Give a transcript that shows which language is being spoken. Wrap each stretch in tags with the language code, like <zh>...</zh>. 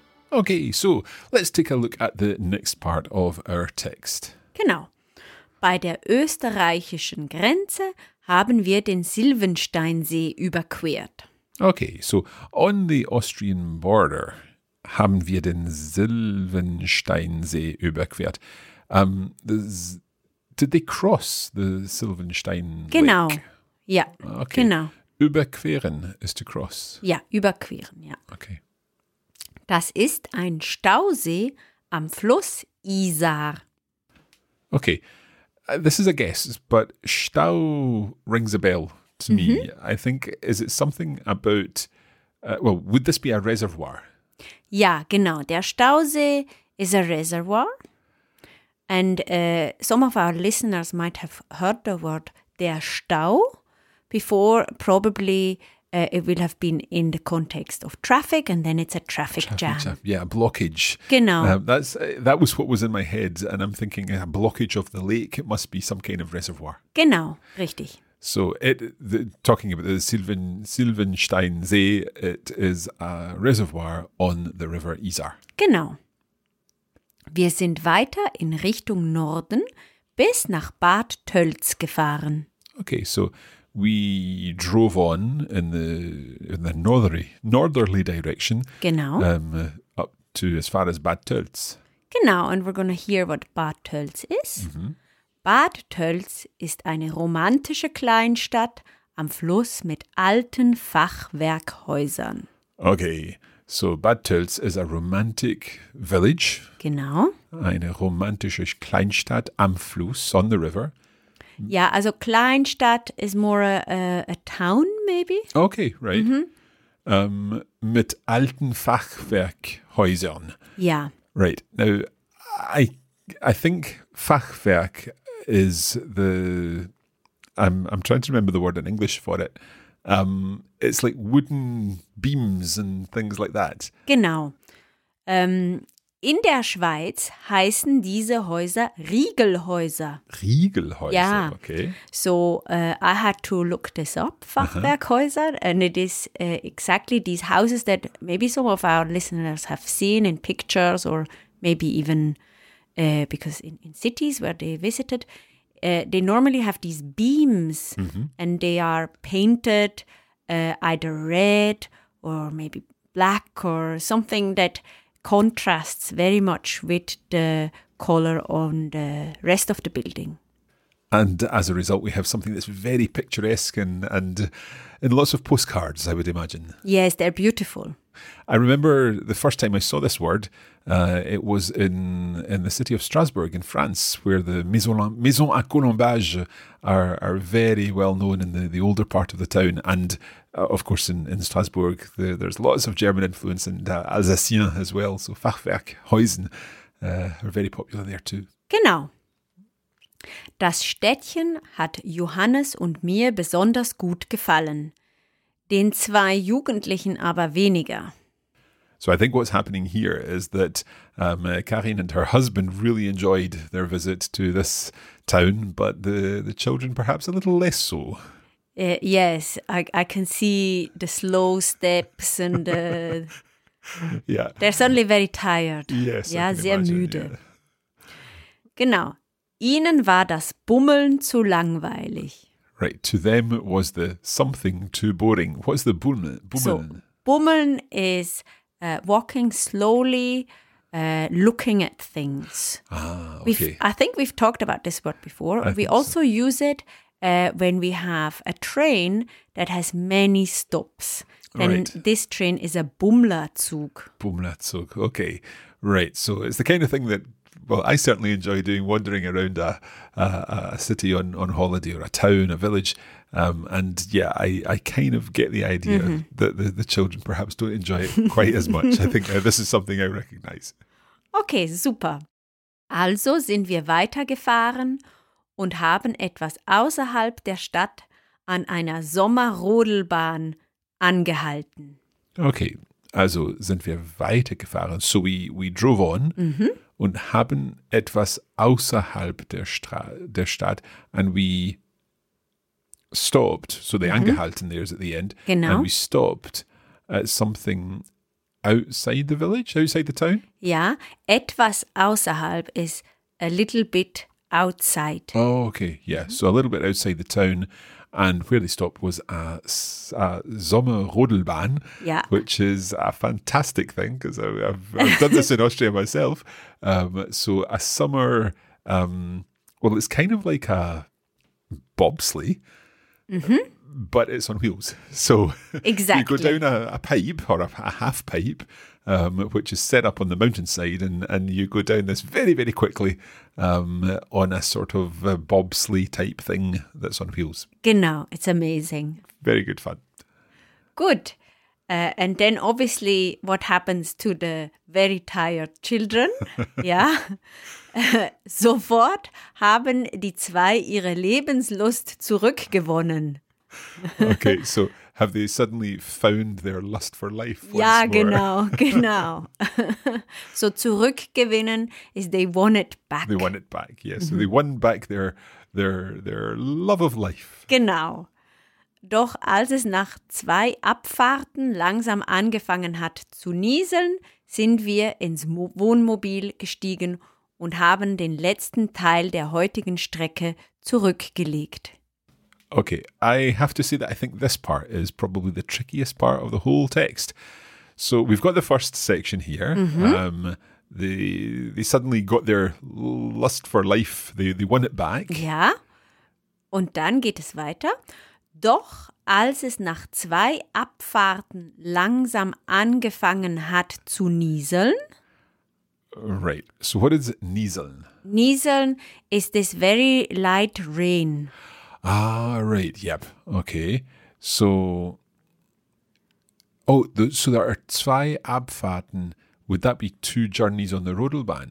<en>Okay, so let's take a look at the next part of our text.</en> <de>Genau. Bei der österreichischen Grenze haben wir den Silvensteinsee überquert.</de> <en>Okay, so on the Austrian border</en> <de>haben wir den Silvensteinsee überquert.</de> <en>Did they cross the Silvenstein Lake?</en> <de>Genau, ja.</de> <en>Okay.</en> <de>Genau. Überqueren ist</de> <en>to cross.</en> <de>Ja, überqueren, ja.</de> <en>Okay.</en> <de>Das ist ein Stausee am Fluss Isar.</de> <en>Okay, this is a guess, but Stau rings a bell to me. Mm-hmm. I think, is it something about, well, would this be a reservoir?</en> <de>Ja, genau. Der Stausee</de> <en>is a reservoir. And some of our listeners might have heard the word der Stau before, probably. It will have been in the context of traffic, and then it's a traffic jam. Yeah, a blockage.</en> <de>Genau.</de> <en>That was what was in my head, and I'm thinking a blockage of the lake. It must be some kind of reservoir.</en> <de>Genau, richtig.</de> <en>So, talking about the Silvensteinsee, it is a reservoir on the river Isar.</en> <de>Genau. Wir sind weiter in Richtung Norden bis nach Bad Tölz gefahren.</de> <en>Okay, so we drove on in the northerly direction.</en> <de>Genau.</de> <en>Up to as far as Bad Tölz. Genau, and we're going to hear what Bad Tölz is. Mm-hmm.</en> <de>Bad Tölz ist eine romantische Kleinstadt am Fluss mit alten Fachwerkhäusern.</de> <en>Okay, so Bad Tölz is a romantic village.</en> <de>Genau. Eine romantische Kleinstadt am Fluss,</de> <en>on the river. Yeah, also Kleinstadt is more a town, maybe. Okay, right. Mm-hmm. Mit alten Fachwerkhäusern. Yeah. Right. Now, I think Fachwerk is the... I'm trying to remember the word in English for it. It's like wooden beams and things like that.</en> <de>Genau. In der Schweiz heißen diese Häuser Riegelhäuser. Riegelhäuser, ja.</de> <en>Okay. So I had to look this up, Fachwerkhäuser, uh-huh. And it is exactly these houses that maybe some of our listeners have seen in pictures or maybe even because in cities where they visited, they normally have these beams, mm-hmm. And they are painted either red or maybe black or something that contrasts very much with the color on the rest of the building. And as a result, we have something that's very picturesque and in lots of postcards, I would imagine. Yes, they're beautiful. I remember the first time I saw this word, it was in the city of Strasbourg in France, where the maisons à colombage are very well known in the older part of the town. And of course, in Strasbourg, there's lots of German influence and Alsacien as well. So Fachwerkhäusen are very popular there too.</en> <de>Genau. Das Städtchen hat Johannes und mir besonders gut gefallen, den zwei Jugendlichen aber weniger.</de> <en>So I think what's happening here is that Karin and her husband really enjoyed their visit to this town, but the children perhaps a little less so. Yes, I can see the slow steps and yeah, they're suddenly very tired. Yes,</en> <de>ja, sehr müde.</de> <en>Yeah.</en> <de>Genau. Ihnen war das Bummeln zu langweilig.</de> <en>Right, to them was the something too boring. What is the Bummeln? So, Bummeln is walking slowly, looking at things. Ah, okay. I think we've talked about this word before. Use it when we have a train that has many stops. Then This train is a Bummlerzug. Bummlerzug, okay. Right, so it's the kind of thing that, well, I certainly enjoy doing, wandering around a city on holiday, or a town, a village. And yeah, I kind of get the idea that the children perhaps don't enjoy it quite as much. I think this is something I recognize. Okay, super.</en> <de>Also sind wir weitergefahren und haben etwas außerhalb der Stadt an einer Sommerrodelbahn angehalten.</de> <en>Okay,</en> <de>also sind wir weitergefahren.</de> <en>So we drove on.</en> <de>Und haben etwas außerhalb der Stadt,</de> <en>and we stopped, so the angehalten there is at the end.</en> <de>Genau.</de> <en>And we stopped at something outside the village, outside the town.</en> <de>Ja, etwas außerhalb</de> <en>is a little bit outside. Oh, okay, yeah, so a little bit outside the town. And where they stopped was a Sommerrodelbahn, which is a fantastic thing, because I've done this in Austria myself. So a summer, well, it's kind of like a bobsleigh, but it's on wheels. So exactly. You go down a pipe or a half pipe, which is set up on the mountainside, and you go down this very, very quickly on a sort of a bobsleigh type thing that's on wheels. Genau, it's amazing. Very good fun. Good. And then obviously what happens to the very tired children? Yeah.</en> <de>Sofort haben die zwei ihre Lebenslust zurückgewonnen.</de> <en>Okay, so have they suddenly found their lust for life?</en> <de>Ja, genau.</de> <en>So zurückgewinnen is they won it back. They won it back, yes. Mm-hmm. So they won back their love of life.</en> <de>Genau. Doch als es nach zwei Abfahrten langsam angefangen hat zu nieseln, sind wir ins Wohnmobil gestiegen und haben den letzten Teil der heutigen Strecke zurückgelegt.</de> <en>Okay, I have to say that I think this part is probably the trickiest part of the whole text. So we've got the first section here. They suddenly got their lust for life. They won it back.</en> <de>Ja, und dann geht es weiter. Doch als es nach zwei Abfahrten langsam angefangen hat zu nieseln.</de> <en>Right, so what is nieseln? Nieseln is this very light rain. Ah, right, yep, okay. So, so there are</en> <de>zwei Abfahrten.</de> <en>Would that be two journeys on the Rodelbahn?</en>